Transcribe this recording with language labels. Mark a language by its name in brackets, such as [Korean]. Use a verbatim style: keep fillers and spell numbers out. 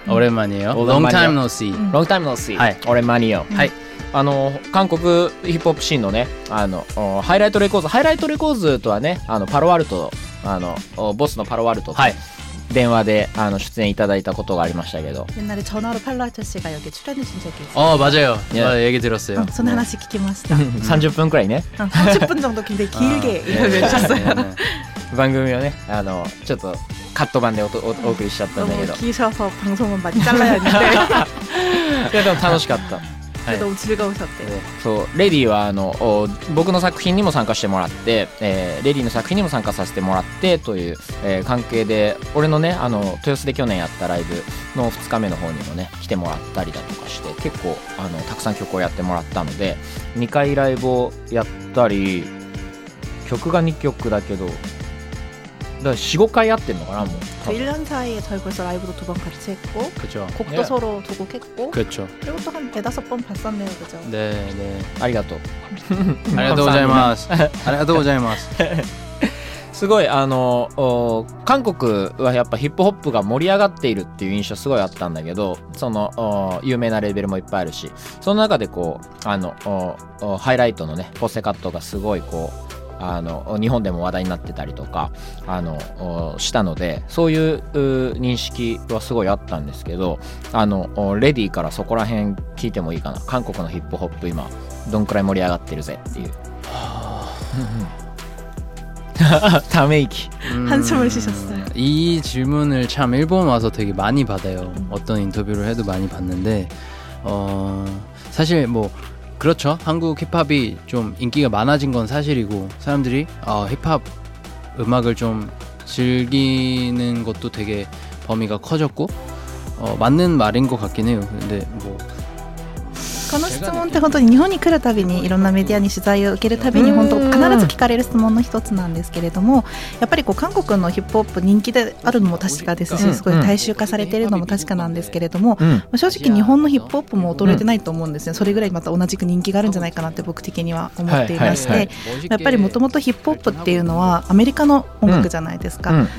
[Korean] 오랜만이에요. [English] Long time no see. Long time no see. [Japanese] はい。 [Korean] 오랜만이에요. [Japanese] はい。あの韓国ヒップホップシーンのね、あのハイライトレコーズ、ハイライトレコーズとはね、あのパロアルト、あのボスのパロアルトと。はい。電話であの出演いただいたことがありましたけど、 [Korean] 옛날에 전화로 팔로 아저씨가 여기 출연해준 적이 있어요. 어 맞아요. 예. 얘기 들었어요. 어, 손 하나씩 기기마시다. 삼십 분 [Japanese] くらい ね。 [Korean] 삼십 분 정도 굉장히 길게 이걸 해주셨어요. [Japanese] 番組をね、あのちょっとカット版で お, お, お送りしちゃったんだけど。 [Korean] 너무 길어서 방송은 많이 잘라야 했는데 [Japanese] でも楽しかった。はい、 [Korean] 너무즐거우셨대요。 [Japanese] そう、レディはあの僕の作品にも参加してもらって、えー、レディの作品にも参加させてもらってという、えー、関係で、俺のねあの豊洲で去年やったライブのふつかめの方にもね来てもらったりだとかして、結構あのたくさん曲をやってもらったので、にかいライブをやったり、曲がにきょくだけど、だからよん、ごかいやってんのかなもう。 [Korean] 일 년 사이에 저희 벌써 라이브도 두 번 같이 했고, 그쵸. 곡도 예. 서로 두 곡 했고, 그쵸. 그리고 또 한 대다섯 번 봤었네요, 그죠? 네, 네. [Japanese] ありがとう。ありがとうございます。ありがとうございます。すごいあの韓国はやっぱヒップホップが盛り上がっているっていう印象すごいあったんだけど、その有名なレーベルもいっぱいあるし、その中でこうあのハイライトのねポセカットがすごいこう。あの日本でも話題になってたりとかあのしたので、そういう認識はすごいあったんですけど、あのレディからそこら辺聞いてもいいかな。韓国のヒップホップ今どんくらい盛り上がってるぜっていう。ため息。 [Korean] 한숨을 쉬셨어요. 이 질문을 참 일본 와서 되게 많이 받아요. 어떤 인터뷰를 해도 많이 받는데 어, 사실 뭐 그렇죠. 한국 힙합이 좀 인기가 많아진 건 사실이고, 사람들이 어, 힙합 음악을 좀 즐기는 것도 되게 범위가 커졌고 어, 맞는 말인 것 같긴 해요. 근데 뭐 [Japanese] この質問って本当に日本に来るたびにいろんなメディアに取材を受けるたびに本当必ず聞かれる質問の一つなんですけれども、やっぱりこう韓国のヒップホップ人気であるのも確かですし、すごい大衆化されているのも確かなんですけれども、正直日本のヒップホップも衰えてないと思うんですね。それぐらいまた同じく人気があるんじゃないかなって僕的には思っていまして、やっぱりもともとヒップホップっていうのはアメリカの音楽じゃないですか。